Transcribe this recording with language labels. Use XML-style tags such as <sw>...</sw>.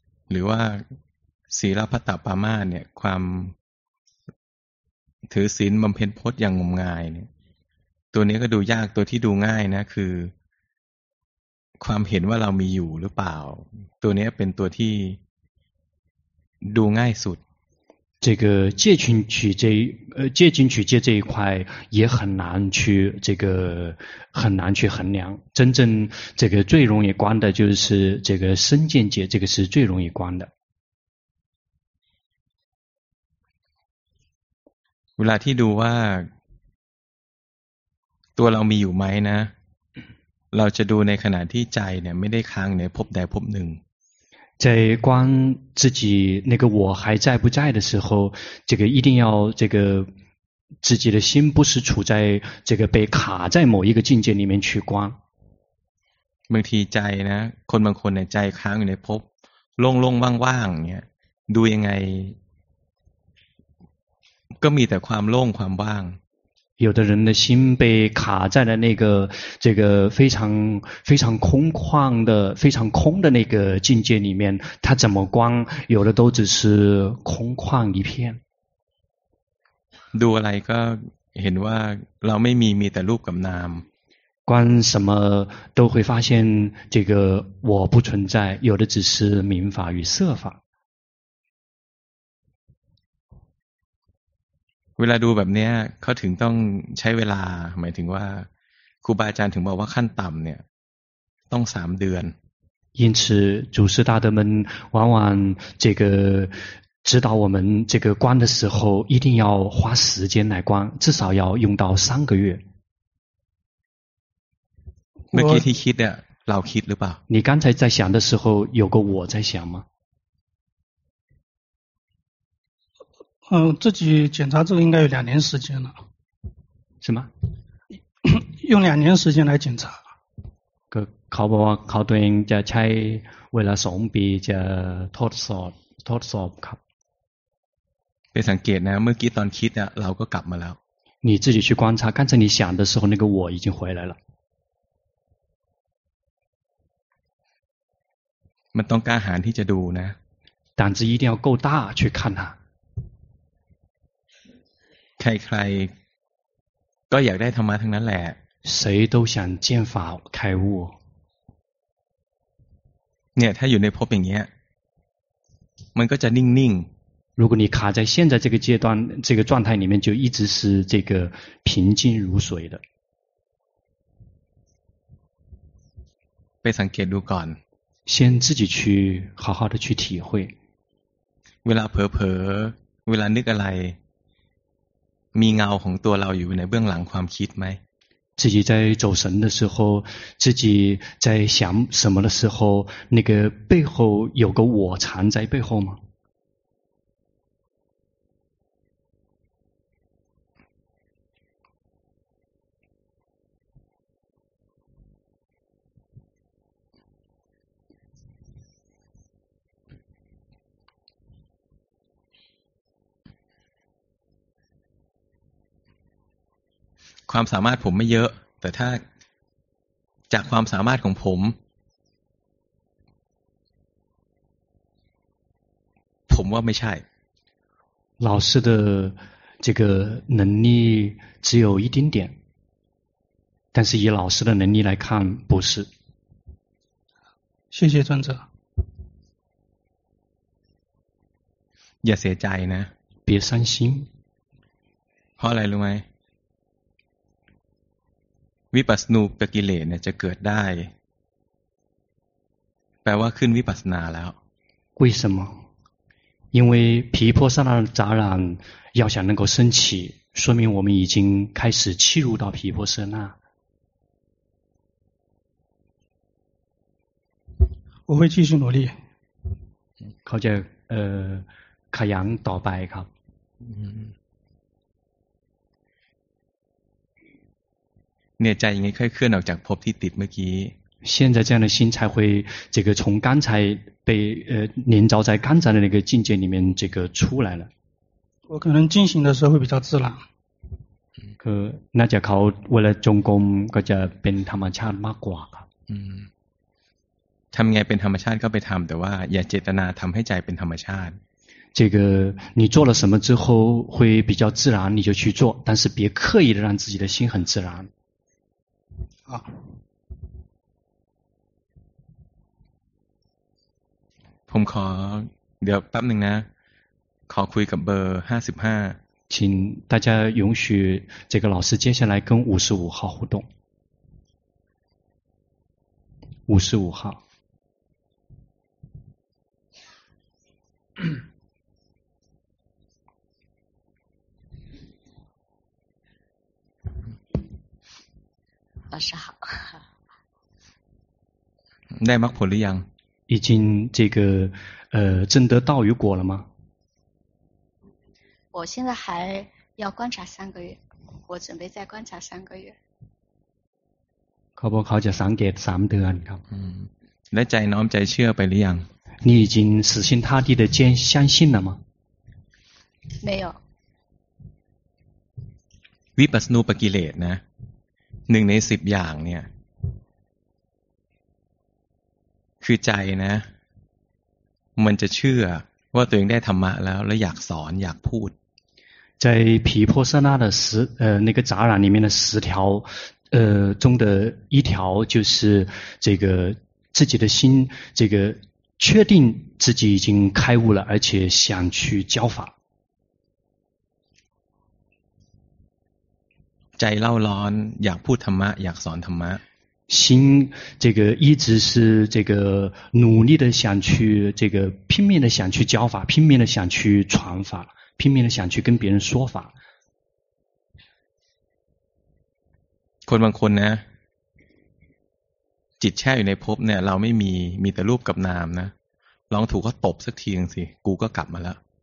<th>หรือว่าศีลพัตตปามาเนี่ยความถือศีลบำเพ็ญพจน์อย่างงมงายเนี่ยตัวนี้ก็ดูยากตัวที่ดูง่ายนะคือความเห็นว่าเรามีอยู่หรือเปล่าตัวนี้เป็นตัวที่ดูง่ายสุด</th> <zh>这个戒禁取戒戒禁取戒这一块也很难去这个很难去衡量真正这个最容易观的就是这个身见解这个是最容易观的</zh> <th>เวลาที่ดูว่าตัวเรามีอยู่ไหมนะเราจะดูในขณะที่ใจเนี่ยไม่ได้ค้างในภพใดภพหนึ่ง</th> <zh>在观自己那个我还在不在的时候这个一定要这个自己的心不是处在这个被卡在某一个境界里面去观</zh> <th>บางทีใจนะคนบางคนเนี่ยใจค้างอยู่ในภพโล่งๆว่างๆเนี่ยดูยังไงก็มีแต่ความโล่งความว่าง</th> <zh>有的人的心被卡在了那个这个非常非常空旷的非常空的那个境界里面他怎么光有的都只是空旷一片</zh> <th>ดูอะไรก็เห็นว่าเราไม่มีมีแต่รูปกับนาม</th> <zh>观什么都会发现这个我不存在有的只是名法与色法</zh> <th>เวลาดูแบบนี้เขาถึงต้องใช้เวลาหมายถึงว่าครูบาอาจารย์ถึงบอกว่าขั้นต่ำเนี่ยต้องสามเดือน</th> <zh>因此祖师大德们往往这个指导我们这个观的时候一定要花时间来观至少要用到三个月</zh> <th>เมื่อกี้ที่คิดเนี่ยเราคิดหรือเปล่า</th> <zh>你刚才在想的时候有个我在想吗自己检查这个应该有两年时间了。什么？用两年时间来检查。个考不考对应就拆为了怂比就脱索脱索卡。被上给呢？</zh> <th>เมื่อกี้ตอนคิดเนี่ยเราก็กลับมาแล้ว。</th> <zh>你自己去观察，刚才你想的时候，那个我已经回来了。</zh> <th>มันต้องกล้าหาญที่จะดูนะ。</th> <zh>胆子一定要够大去看它。</zh> <th>ใครๆก็อยากได้ธรรมะทั้งนั้นแหละ</th> <zh>谁都想见法开悟</zh> <th>เนี่ยถ้าอยู่ในภพอย่างเงี้ย มันก็จะนิ่งนิ่ง</th> <zh>如果你卡在现在这个阶段这个状态里面就一直是这个平静如水的</zh> <th>ไปสังเกตดูก่อน</th> <zh>先自己去好好的去体会</zh> <th>เวลาเผลอๆเวลานึกอะไรมีเงาของตัวเราอยู่ในเบื้องหลังความคิดไหม</th> <zh>自己在走神的时候自己在想什么的时候那个背后有个我藏在背后吗</zh> <th>ความสามารถผมไม่เยอะแต่ถ้าจากความสามารถของผมผมว่าไม่ใช่</th> <zh>老师的这个能力只有一丁点但是以老师的能力来看不是谢谢尊者</zh> <th>อย่าเสียใจนะ</th> <zh>别伤心</zh> <th>เพราะอะไรรู้ไหมวิปัสสนูปกิเลสเนี่ยจะเกิดได้แปลว่าขึ้นวิปัสสนาแล้ว</th> <zh>为什么因为毗婆舍那杂染要想能够升起说明我们已经开始契入到毗婆舍那我会继续努力</zh> <th>เขาจะขยันต่อไปครับ เนี่ยใจยังไงค่อยเคลื่อนออกจากภพที่ติดเมื่อกี้</th> <zh>现在这样的心才会这个从刚才被粘着在刚才的那个境界里面这个出来了我可能进行的时候会比较自然</zh> <th>คือน่าจะเขาเวลาจงกรมก็จะเป็นธรรมชาติมากกว่า ทำไงเป็นธรรมชาติก็ไปทำแต่ว่าอย่าเจตนาทำให้ใจเป็นธรรมชาติ</th> <zh>这个你做了什么之后会比较自然你就去做但是别刻意的让自己的心很自然好</zh> <th>ผมขอเดี๋ยวแป๊บหนึ่งนะขอคุยกับเบอร์55</th> <zh>请大家允许这个老师接下来跟55号互动55号老师好</zh> <th>ได้มรรคผลหรือยัง</th> <zh>已经这个证得道与果了吗我现在还要观察三个月我准备再观察三个月</zh> <th>เขาจะสังเกต3เดือนครับ และใจน้อมใจเชื่อไปหรือยัง</th> <zh>你已经死心塌地的坚相信了吗没有</zh> <th>วิปัสสนูปกิเลสนะ1ใน10อย่างเนี่ยคือใจนะมันจะเชื่อว่าตัวเองได้ธรรมะแล้วแล้วอยากสอนอยากพูด ใจ</th> <zh>毗婆舍那的十那个杂染里面的十条中的一条就是这个自己的心这个确定自己已经开悟了而且想去教法</zh> <th>ใจเล่าร้อนอยากพูดธรรมะอยากสอนธรรมะ</th> <zh>心这个一直是这个努力的想去这个拼命的想去教法拼命的想去传法拼命的想去跟别人说法</zh> <th>คนบางคนนะจิตแช่อยู่ในภพเนี่ยเราไม่มีมีแต่รูปกับนามนะลองถูกเขาตบสักทีนึงสิกูก็กลับมาแล้ว</th>